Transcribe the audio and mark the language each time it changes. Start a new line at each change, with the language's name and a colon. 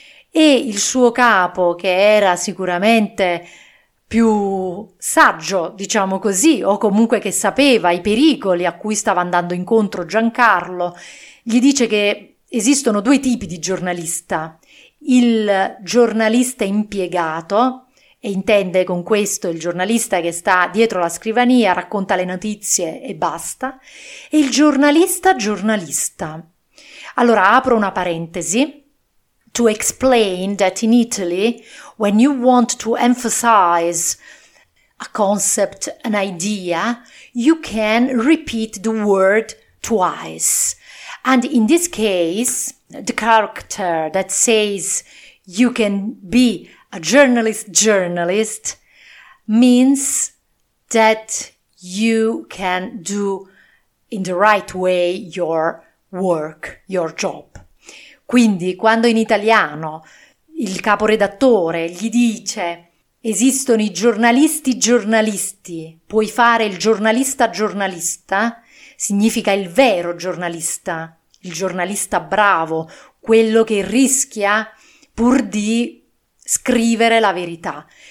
Italian: E il suo capo, che era sicuramente più saggio, diciamo così, o comunque che sapeva i pericoli a cui stava andando incontro Giancarlo, gli dice che esistono due tipi di giornalista: il giornalista impiegato, e intende con questo il giornalista che sta dietro la scrivania, racconta le notizie e basta, e il giornalista giornalista. Allora apro una parentesi.
English: To explain that in Italy, when you want to emphasize a concept, an idea, you can repeat the word twice. And in this case, the character that says you can be a journalist, journalist means that you can do in the right way your work, your job.
Italian: Quindi, quando in italiano il caporedattore gli dice: esistono i giornalisti, giornalisti, puoi fare il giornalista, giornalista, significa il vero giornalista, il giornalista bravo, quello che rischia pur di scrivere la verità.